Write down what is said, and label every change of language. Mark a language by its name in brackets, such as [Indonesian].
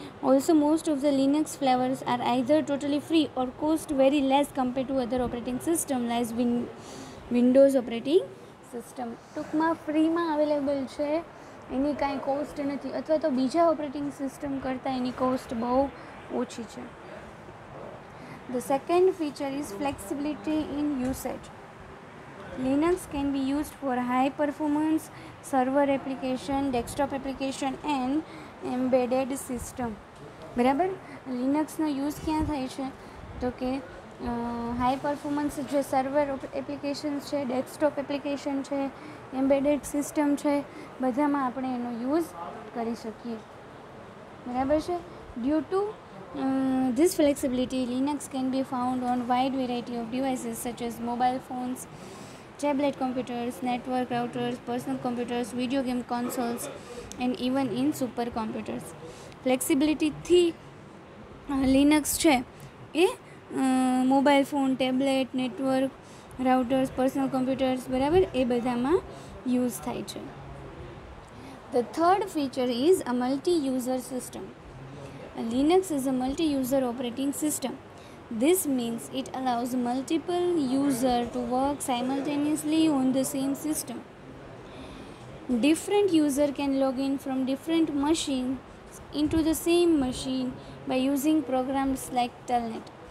[English] Also most of the Linux flavours are either totally free or cost very less compare to other operating system like Windows operating system. [Gujarati] ટૂંકમાં ફ્રીમાં available છે, એની કાંઈ cost નથી, અથવા તો બીજા operating system કરતાં એની કોસ્ટ બહુ ઓછી છે. [English] The second feature is flexibility in usage. Linux can be used for high performance server application, desktop application and embedded system. [Gujarati] બરાબર, લિનક્સનો યુઝ ક્યાં થાય છે? તો કે હાઈ પરફોર્મન્સ જે સર્વર એપ્લિકેશન્સ છે, ડેસ્કટોપ એપ્લિકેશન છે, એમ્બેડેડ સિસ્ટમ છે, બધામાં આપણે એનો યુઝ કરી શકીએ, બરાબર છે? [English] Due to this flexibility Linux can be found on wide variety of devices such as mobile phones, tablet computers, network routers, personal computers, video game consoles and even in super computers. [Gujarati] ફ્લેક્સિબિલિટીથી Linux છે એ mobile phone, tablet, network routers, personal computers, બરાબર, એ બધામાં use થાય છે. [English] The third feature is a multi user system. Linux is a multi user operating system. This means it allows multiple user to work simultaneously on the same system. Different user can log in from different machines into the same machine by using programs like Telnet.